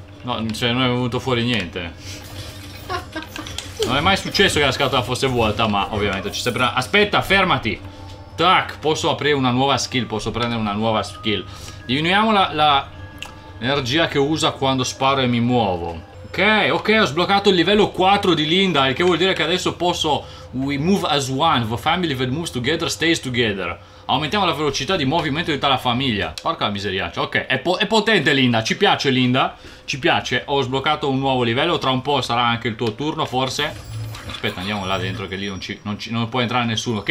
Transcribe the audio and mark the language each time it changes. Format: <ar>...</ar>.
<it>No, cioè, non è venuto fuori niente. Non è mai successo che la scatola fosse vuota, ma ovviamente ci sembra... Aspetta, fermati. Tac, posso aprire una nuova skill, posso prendere una nuova skill. Diminuiamo la energia che usa quando sparo e mi muovo. Ok, ok, ho sbloccato il livello 4 di Linda, il che vuol dire che adesso posso...</it> <en>We move as one, the family that moves together stays together.</en> <it>Aumentiamo la velocità di movimento di tutta la famiglia. Porca miseriaccia, ok, è potente Linda, ci piace Linda, ci piace. Ho sbloccato un nuovo livello, tra un po' sarà anche il tuo turno forse. Aspetta, andiamo là dentro, che lì non può entrare nessuno.</it>